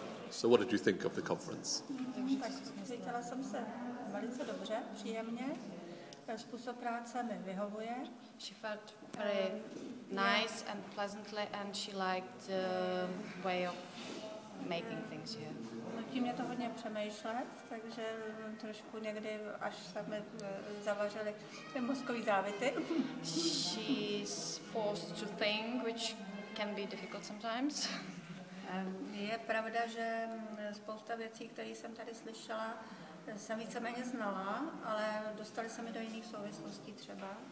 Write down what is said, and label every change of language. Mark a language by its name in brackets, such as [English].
[English] So what did you think of the conference? [Czech] Cítila jsem se velice dobře, příjemně. Způsob práce mi vyhovuje. [English] She felt very nice and pleasantly, and she liked the way of making things here. [Czech] Nutím mě to hodně přemýšlet, takže trošku někdy až se mi zavařily ty mozkový závity. [English] She's forced to think, which can be difficult sometimes. [Czech] Je pravda, že spousta věcí, které jsem tady slyšela, jsem víceméně znala, ale dostaly se mi do jiných souvislostí třeba.